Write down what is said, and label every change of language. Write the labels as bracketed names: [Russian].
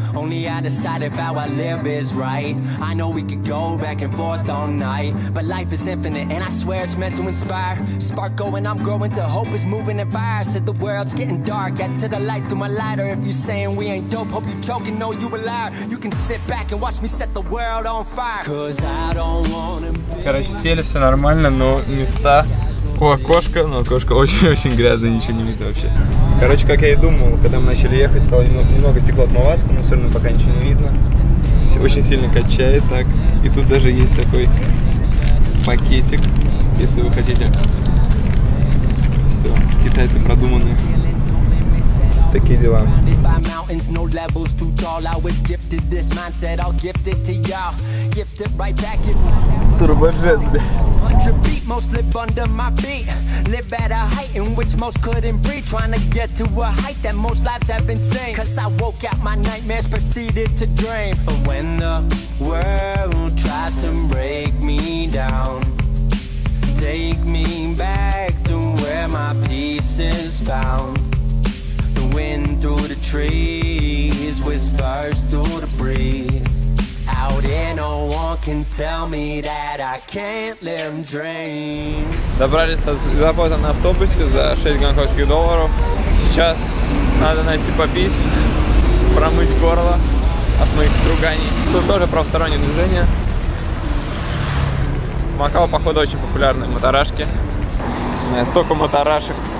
[English] Only I decide if how I live is right. I know we could go back and forth all night, but life is infinite and I swear it's meant to inspire. Spark going, I'm growing till hope is moving in fire. Said the world's getting dark, add to the light through my lighter. If you saying we ain't dope, hope you choking, know you a liar. You can sit back and watch me set the world on fire. Cause I don't wanna be. [Russian] Короче, сели, все нормально, но места. О, окошко, но окошко очень-очень грязное, ничего не видно вообще. Короче, как я и думал, когда мы начали ехать, стало немного стекло отмываться, но все равно пока ничего не видно. Все очень сильно качает так. И тут даже есть такой пакетик, если вы хотите. Все, китайцы продуманные. Такие дела. [English] Mountains, no levels too tall. I was gifted this mindset. I'll gift it to y'all. Gift it right back. Turbojet. Most live under my feet. Live at a height in which most couldn't breathe. Trying to get to a height that most lives have been seen. Cause I woke up, my nightmares proceeded to dream. But when the world tries to break me down, take me back to where my peace is found. Wind through the trees, whispers through the breeze. Out there, no one can tell me that I can't live them dreams. [Russian] Добрались до поезда на автобусе за 6 гонконгских долларов. Сейчас надо найти попить, промыть горло от моих струганий. Тут тоже правостороннее движение. В Макао, походу, очень популярны моторашки. У меня столько моторашек.